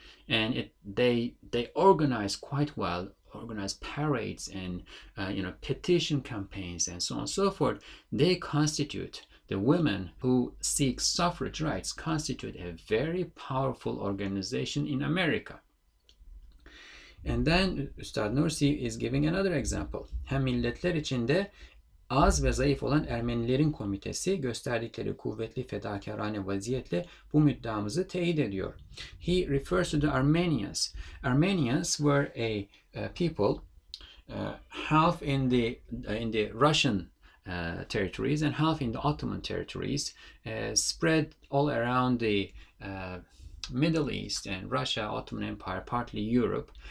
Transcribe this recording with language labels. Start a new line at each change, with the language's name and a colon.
English: And they organize quite well, organize parades and petition campaigns and so on and so forth. They constitute, the women who seek suffrage rights constitute a very powerful organization in America. And then Üstad Nursi is giving another example.
Turkish: Hem milletler içinde az ve zayıf olan Ermenilerin komitesi gösterdikleri kuvvetli fedakarane vaziyetle bu müddeamızı teyit ediyor.
English: He refers to the Armenians. Armenians were a people half in the Russian territories and half in the Ottoman territories, spread all around the Middle East and Russia, Ottoman Empire, partly Europe.